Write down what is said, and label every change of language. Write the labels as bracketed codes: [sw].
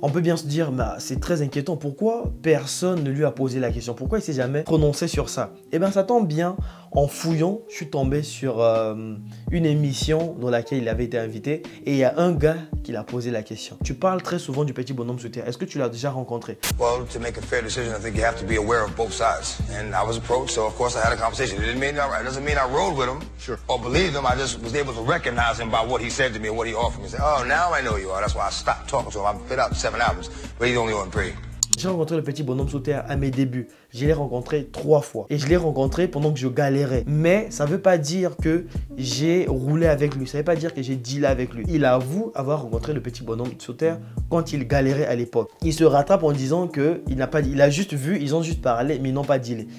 [fr] On peut bien se dire, bah, c'est très inquiétant. Pourquoi personne ne lui a posé la question? Pourquoi il ne s'est jamais prononcé sur ça? Eh bien, ça tombe bien. En fouillant, je suis tombé sur une émission dans laquelle il avait été invité. Et il y a un gars qui l'a posé la question. Tu parles très souvent du petit bonhomme sous terre. Est-ce que tu l'as déjà rencontré? [en] Well, to make a fair decision, I think you have to be aware of both sides. And I was approached, so of course I had a conversation. It doesn't mean I rode with him. Sure. Or believed him. I just was able to recognize him by what he said to me and what he offered me. He said, oh, now I know you are. That's why I stopped talking to him. I've put out 7 albums, but he's only on 3. [fr] J'ai rencontré le petit bonhomme sous terre à mes débuts. Je l'ai rencontré 3 fois. Et je l'ai rencontré pendant que je galérais. Mais ça ne veut pas dire que j'ai roulé avec lui. Ça ne veut pas dire que j'ai dealé avec lui. Il avoue avoir rencontré le petit bonhomme sous terre quand il galérait à l'époque. Il se rattrape en disant qu'il n'a pas, il a juste vu, ils ont juste parlé, mais ils n'ont pas dealé.